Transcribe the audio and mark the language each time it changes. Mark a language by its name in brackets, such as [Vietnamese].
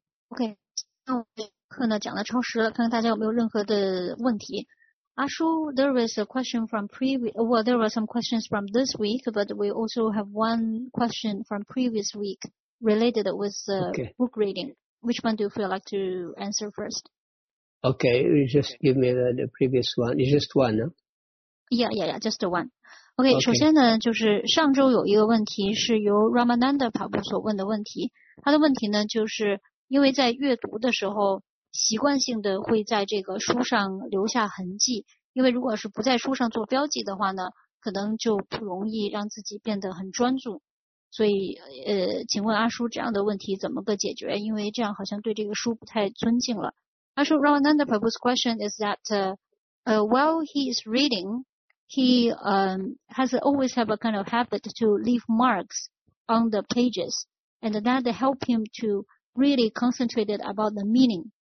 [Chinese] Okay, 那我们课呢讲的超时了，看看大家有没有任何的问题。 [English] Ashu, there was a question from previous, well, there were some questions from this week, but we also have one question from previous week related with book reading. Which one do you feel like to answer first? Okay, you just give me the previous one. It's just one, no? Yeah, just the one. Okay, [Chinese] 首先呢，就是上周有一个问题是由 Ramananda Prabhu 所问的问题。他的问题呢，就是因为在阅读的时候习惯性的会在这个书上留下痕迹，因为如果是不在书上做标记的话呢，可能就不容易让自己变得很专注。所以请问阿叔这样的问题怎么个解决？因为这样好像对这个书不太尊敬了。 [English] 阿叔 Ramananda Prabhu's question is that while he is reading, he always have a kind of habit to leave marks on the pages, and that help him to really concentrate about the meaning.